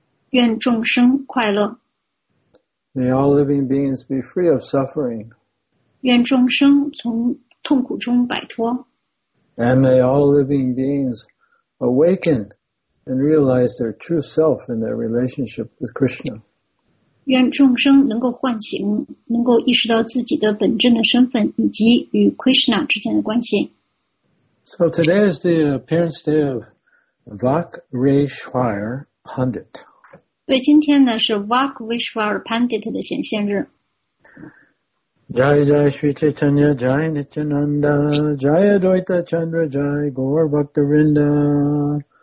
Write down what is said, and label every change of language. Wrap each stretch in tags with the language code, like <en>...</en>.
<zh>愿众生快乐。</zh> <en>May all living beings be free of suffering.</en> <zh>愿众生从痛苦中摆脱。</zh> <en>And may all living beings awaken and realize their true self in their relationship with Krishna.</en> <zh>愿众生能够唤醒，能够意识到自己的本真的身份以及与 Krishna 之间的关系。</zh> <en>So today is the appearance day of Vakreshwar Pandit.</en> <zh>对，今天呢是 Vakreshwar Pandit 的显现日。</zh> <sa>Jai Jai Shri Chaitanya Jai Nityananda Jai Advaita Chandra Jai Gaur Bhaktavrinda.</sa>